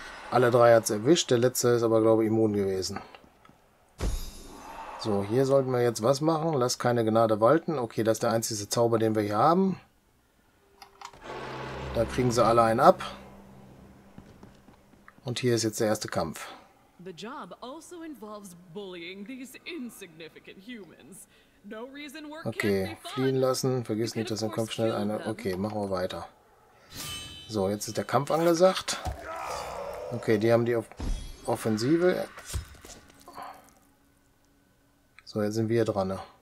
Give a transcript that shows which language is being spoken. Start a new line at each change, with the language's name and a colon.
German: Alle drei hat es erwischt, der letzte ist aber, glaube ich, immun gewesen. So, hier sollten wir jetzt was machen? Lass keine Gnade walten. Okay, das ist der einzige Zauber, den wir hier haben. Da kriegen sie alle einen ab. Und hier ist jetzt der erste Kampf.
English: The job also involves bullying these insignificant humans. No reason work can be fun.
German: Okay, fliehen lassen, vergiss nicht, dass im Kampf schnell eine. Okay, machen wir weiter. So, jetzt ist der Kampf angesagt. Okay, die haben die Offensive. So, jetzt sind wir dran. Ne?